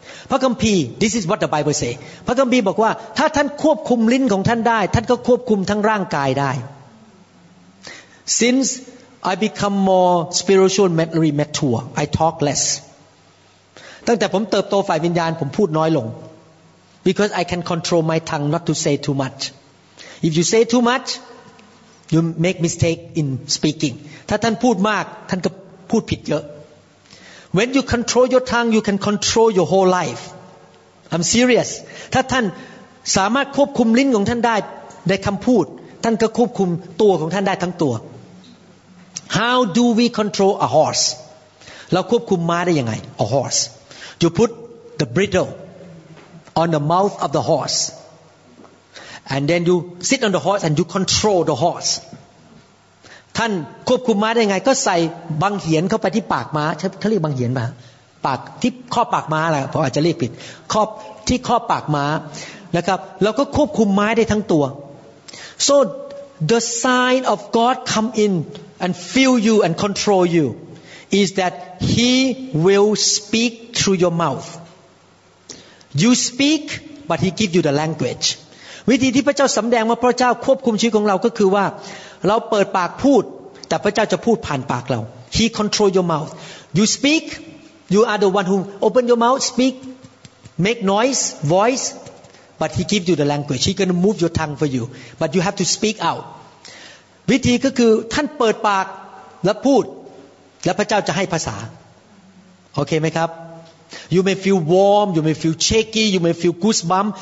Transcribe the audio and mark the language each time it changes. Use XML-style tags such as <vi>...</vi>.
<th>พระคัมภีร์</th> <en>this is what the Bible say.</en> <th>พระคัมภีร์บอกว่าถ้าท่านควบคุมลิ้นของท่านได้ท่านก็ควบคุมทั้งร่างกายได้</th> <en>Since I become more spiritually mature, I talk less.</en> <th>ตั้งแต่ผมเติบโตฝ่ายวิญญาณผมพูดน้อยลง</th> <en>Because I can control my tongue not to say too much. If you say too much,You make mistake in speaking.</en> <th>ถ้าท่านพูดมากท่านก็พูดผิดเยอะ</th> <en>When you control your tongue, you can control your whole life. I'm serious.</en> <th>ถ้าท่านสามารถควบคุมลิ้นของท่านได้ในคำพูดท่านก็ควบคุมตัวของท่านได้ทั้งตัว</th> <en>How do we control a horse?</en> <th>เราควบคุมม้าได้ยังไง</th> <en>A horse. You put the bridle on the mouth of the horse. And then you sit on the horse and you control the horse.</en> <th>ท่านควบคุมม้าได้ไงก็ใส่บังเหียนเข้าไปที่ปากม้าเขาเรียกบังเหียนป่ะปากที่ข้อปากม้าแหละผมอาจจะเรียกผิดข้อที่ข้อปากม้านะครับแล้วก็ควบคุมม้าได้ทั้งตัว</th> <en>So the sign of God come in and fill you and control you is that He will speak through your mouth. You speak, but He give you the language.</en> <th>วิธีที่พระเจ้าสำแดงว่าพระเจ้าควบคุมชีวิตของเราก็คือว่าเราเปิดปากพูดแต่พระเจ้าจะพูดผ่านปากเรา</th> <en>He control your mouth You speak You are the one who open your mouth Speak Make noise Voice But He give you the language He gonna move your tongue for you But you have to speak out</en> <th>วิธีก็คือท่านเปิดปากและพูดและพระเจ้าจะให้ภาษาโอเคไหมครับ</th> <en>You may feel warm, you may feel shaky, you may feel goosebumps.</en>